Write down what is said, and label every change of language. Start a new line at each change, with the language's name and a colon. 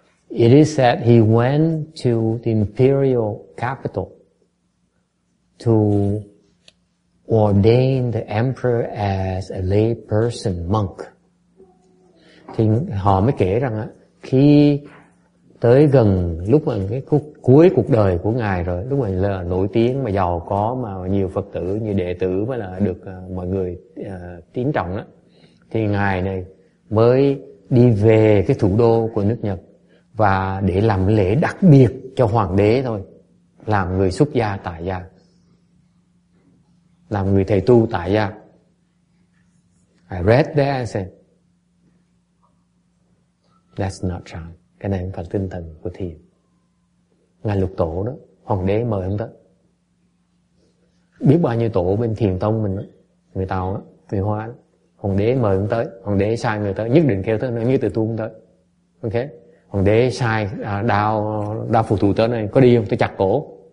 English: It is that he went to the imperial capital to ordain the emperor as a lay person, monk.
Vietnamese: Thì họ mới kể rằng á, khi tới gần lúc mà cái cuối cuộc đời của ngài rồi, lúc mà là nổi tiếng mà giàu có mà nhiều Phật tử, nhiều đệ tử mà là được mọi người tín trọng đó, thì ngài này mới đi về cái thủ đô của nước Nhật và để làm lễ đặc biệt cho hoàng đế thôi, làm người xuất gia tại gia, làm người thầy tu tại gia.
English: I read that and said, that's not true.
Vietnamese: Cái này không phải tinh thần của thiền. Ngài lục tổ đó, hoàng đế mời ông đó. Biết bao nhiêu tổ bên thiền tông mình đó, người Tàu đó, người Hoa đó. Hoàng đế mời ông tới, hoàng đế sai người tới, nhất định kêu tới, như từ tu ông tới. Ok? Hoàng đế sai đao phù thủ tới này, có đi không? Tôi chặt cổ.